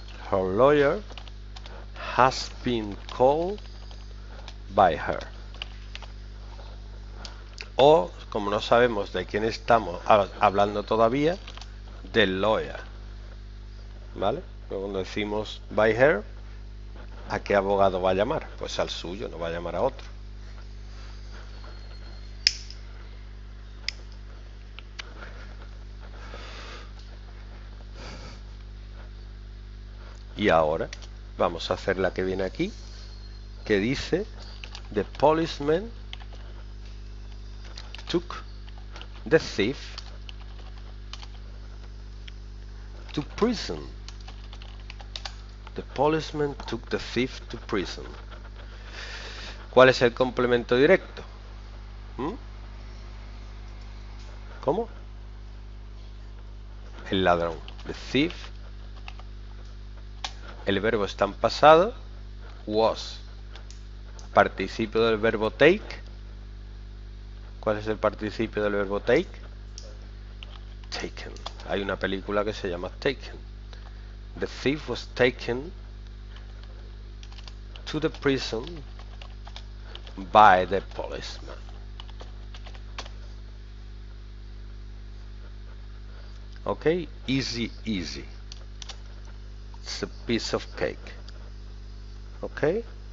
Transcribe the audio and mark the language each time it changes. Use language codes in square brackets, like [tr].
[en] Her lawyer has been called by her. [es] O, como no sabemos de quién estamos hablando todavía, del lawyer. ¿Vale? Pero cuando decimos [en] by her, [es] ¿a qué abogado va a llamar? Pues al suyo, no va a llamar a otro. Y ahora vamos a hacer la que viene aquí, que dice: [en] the policeman took the thief to prison. The policeman took the thief to prison. [es] ¿Cuál es el complemento directo? ¿Cómo? El ladrón. [en] The thief. [es] El verbo está en pasado. Was. Participio del verbo take. ¿Cuál es el participio del verbo take? Taken. Hay una película que se llama Taken. [en] The thief was taken to the prison by the policeman. Ok, easy, easy. It's a piece of cake. Ok.